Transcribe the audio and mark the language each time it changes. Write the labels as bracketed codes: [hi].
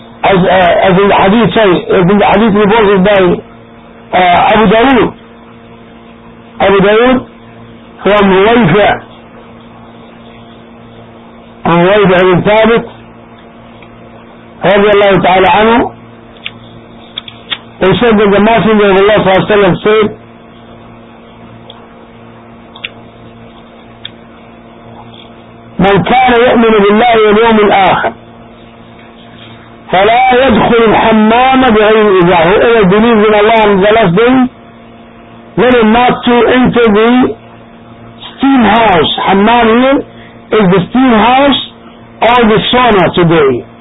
[en] as in the hadith say, in the hadith reported by Abu Dawood. Abu Dawood from Rayfa. And Rayfa ibn Thabit رضي الله تعالى عنه. He said that the Messenger of Allah [ar] صلى الله عليه وسلم said, من كان يؤمن بالله واليوم الآخر فلا يدخل الحمام بغير إذاعة. [en] Whoever believes in Allah on the last day, let him not to enter the steam house. Hammam here is the steam house or the sauna today.